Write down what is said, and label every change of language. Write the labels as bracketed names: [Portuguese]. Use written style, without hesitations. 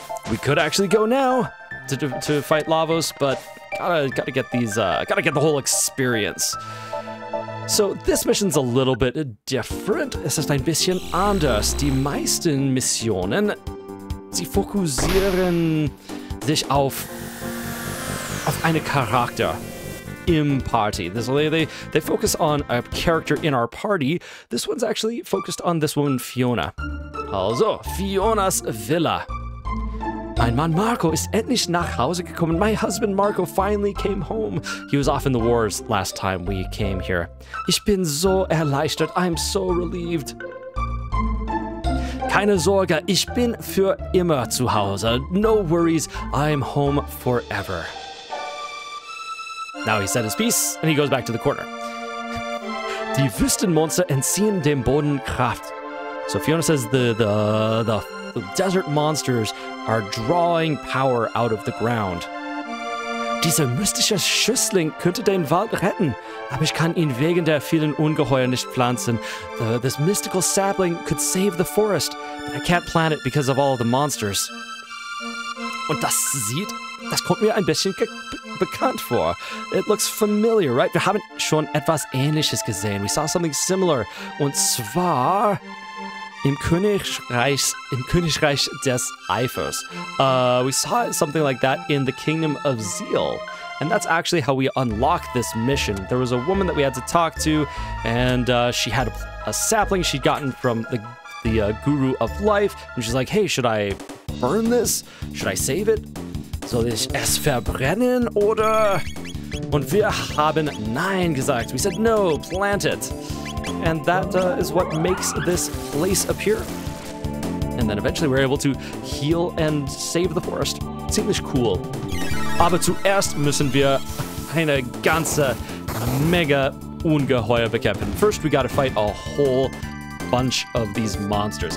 [English] We could actually go now to fight Lavos, but gotta get these, gotta get the whole experience. So this mission's a little bit different. [German] Es ist ein bisschen anders. Die meisten Missionen, sie fokussieren sich auf eine Charakter im Party. [English] They focus on a character in our party. This one's actually focused on this woman, Fiona. [German] Also, Fionas Villa. Mein Mann Marco ist endlich nach Hause gekommen. [English] My husband Marco finally came home. He was off in the wars last time we came here. [German] Ich bin so erleichtert. [English] I'm so relieved. [German] Keine Sorge, ich bin für immer zu Hause. [English] No worries, I'm home forever. Now he said his piece and he goes back to the corner. [German] Die Wüstenmonster entziehen dem Boden Kraft. [English] So Fiona says the desert monsters are drawing power out of the ground. [German] Dieser mystische Schüssling könnte den Wald retten, aber ich kann ihn wegen der vielen Ungeheuer nicht pflanzen. [English] This mystical sapling could save the forest, but I can't plant it because of all the monsters. [German] Und das kommt mir ein bisschen bekannt vor. [English] It looks familiar, right? [German] Wir haben schon etwas Ähnliches gesehen. [English] We saw something similar. [German] Und zwar Im Königreich des Eifers. [English] We saw something like that in the Kingdom of Zeal. And that's actually how we unlocked this mission. There was a woman that we had to talk to, and she had a sapling she'd gotten from the Guru of Life. And she's like, hey, should I burn this? Should I save it? [German] Soll ich es verbrennen, oder? Und wir haben nein gesagt. [English] We said, no, plant it. And that is what makes this place appear. And then eventually we're able to heal and save the forest. [German] Ziemlich cool. Aber zuerst müssen wir eine ganze mega Ungeheuer bekämpfen. [English] First we gotta fight a whole bunch of these monsters.